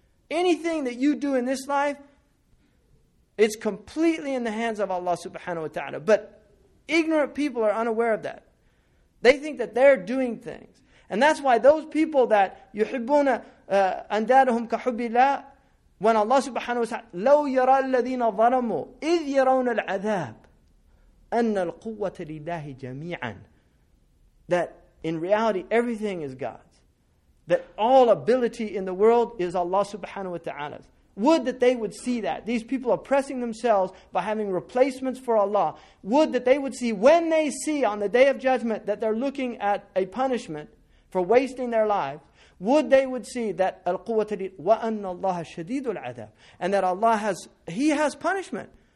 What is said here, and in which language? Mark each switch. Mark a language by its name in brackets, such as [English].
[English] Anything that you do in this life, it's completely in the hands of Allah subhanahu wa ta'ala. But ignorant people are unaware of that. They think that they're doing things. And that's why those people that [Arabic] يُحِبُّونَ أَنْدَادَهُمْ كَحُبِّ اللَّهِ. [English] When Allah subhanahu wa ta'ala, [Arabic] لَوْ يَرَى الَّذِينَ ظَلَمُوا إِذْ يَرَوْنَ الْعَذَابِ أَنَّ الْقُوَّةَ لِلَّهِ جَمِيعًا. [English] That in reality, everything is God's. That all ability in the world is Allah subhanahu wa ta'ala's. Would that they would see that. These people oppressing themselves by having replacements for Allah. Would that they would see, when they see on the day of judgment that they're looking at a punishment for wasting their lives, would they would see that al-quwwata wa anna Allah shadidul adab, and that Allah has punishment.